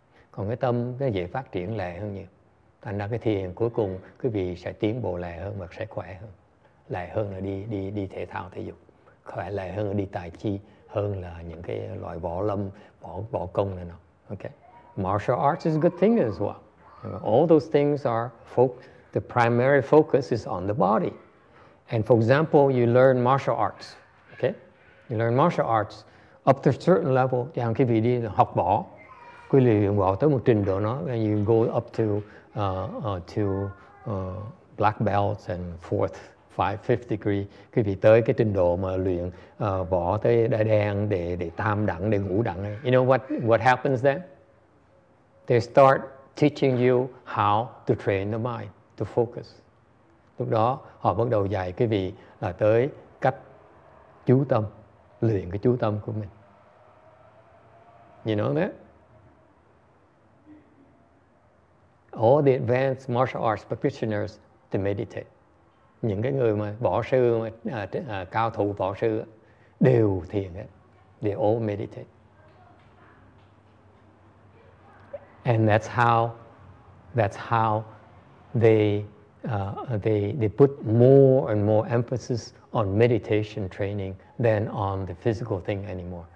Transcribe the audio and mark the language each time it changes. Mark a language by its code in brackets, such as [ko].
[vi] còn cái tâm nó dễ phát triển lẹ hơn nhiều, thành ra cái thiền cuối cùng quý vị sẽ tiến bộ lẹ hơn và sẽ khỏe hơn, lẹ hơn là đi thể thao thể dục, khỏe lẹ hơn là đi tài chi hơn là những cái loại võ lâm, võ công này nọ. [en] Okay, martial arts is a good thing as well. All those things are, the primary focus is on the body. And for example, you learn martial arts, okay? You learn martial arts up to a certain level. [vi] Chẳng khi vị đi học võ, quý vị luyện võ tới một trình độ nó, [en] and you go up to black belts and fourth, fifth degree. [vi] Quý vị tới cái trình độ mà luyện võ tới đại đen để tam đẳng, để ngũ đẳng. [en] You know what happens then? They start teaching you how to train the mind to focus. [vi] Lúc đó họ bắt đầu dạy quý vị là tới cách chú tâm, luyện cái chú tâm của mình. [en] You know that? All the advanced martial arts practitioners to meditate. [vi] Những cái người mà võ sư, cao thủ võ sư đều thiền hết. [en] They all meditate. And that's how they put more and more emphasis on meditation training than on the physical thing anymore.